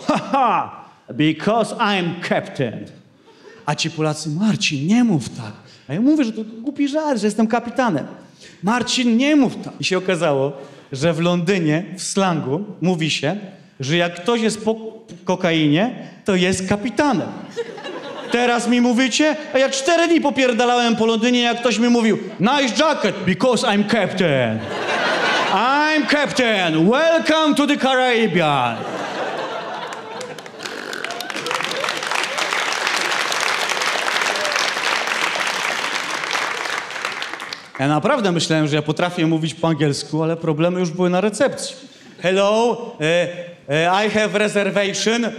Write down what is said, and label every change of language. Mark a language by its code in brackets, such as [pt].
[en] Ha, ha, because I'm captain. [pl] A ci Polacy, Marcin, nie mów tak. A ja mówię, że to głupi żart, że jestem kapitanem. Marcin, nie mów tak. I się okazało, że w Londynie w slangu mówi się, że jak ktoś jest po kokainie, to jest kapitanem. Teraz mi mówicie, a ja 4 dni popierdalałem po Londynie, jak ktoś mi mówił [en] nice jacket, because I'm captain. I'm captain. Welcome to the Caribbean. [pl] Ja naprawdę myślałem, że ja potrafię mówić po angielsku, ale problemy już były na recepcji. [en] Hello, I have reservation.